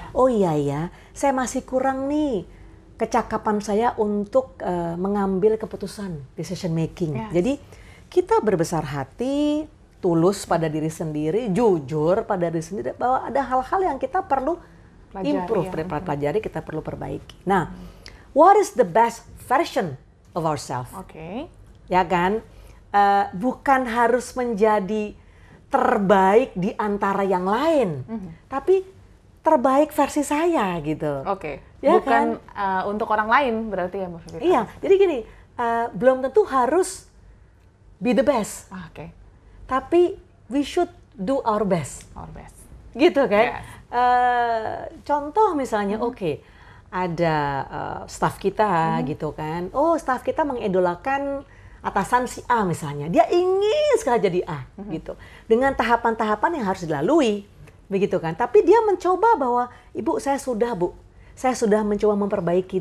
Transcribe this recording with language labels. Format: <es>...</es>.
<id>Oh iya ya, saya masih kurang nih kecakapan saya untuk mengambil keputusan, decision making. Jadi kita berbesar hati, tulus pada diri sendiri, jujur pada diri sendiri bahwa ada hal-hal yang kita perlu pelajari, improve, pelajari, kita perlu perbaiki.</id> <en>Nah, what is the best version of ourselves?</en> <id>Ya kan? Bukan harus menjadi terbaik di antara yang lain, tapi terbaik versi saya gitu. Ya bukan kan? Untuk orang lain berarti ya Mbak Fitri. Iya, jadi gini, belum tentu harus</id> <en>be the best.</en> <id>Tapi</id> <en>we should do our best.</en> <id>Gitu kan? Contoh misalnya, ada staff kita gitu kan. Oh, staff kita mengidolakan atasan si A misalnya. Dia ingin sekali jadi A gitu. Dengan tahapan-tahapan yang harus dilalui. Begitu kan? Tapi dia mencoba bahwa, "Ibu, saya sudah, Bu. Saya sudah mencoba memperbaiki.</id>